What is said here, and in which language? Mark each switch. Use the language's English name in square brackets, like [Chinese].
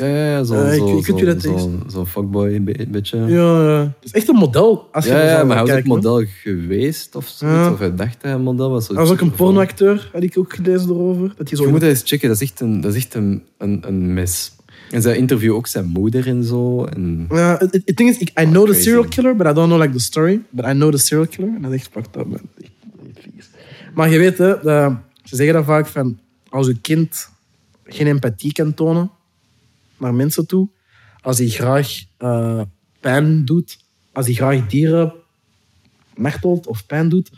[Dutch] Ja, zo'n fuckboy een beetje. Ja, dat is echt een model. Als ja, je ja maar hij was ook model geweest of zo. Ja. Of hij dacht dat hij een model was. Hij was ook een pornoacteur, had ik ook gelezen erover. Dat hij zo je moet eens checken, dat is echt een mes. En zij interview ook zijn moeder en zo. En... Het ding is, [English] I know the serial killer, but I don't know like the story. But I know the serial killer. [Dutch] En dat is echt [English] fucked up, man. [Dutch] Maar je weet, ze zeggen dat vaak van als je kind geen empathie kan tonen naar mensen toe, als hij graag pijn doet, als hij graag dieren martelt of pijn doet,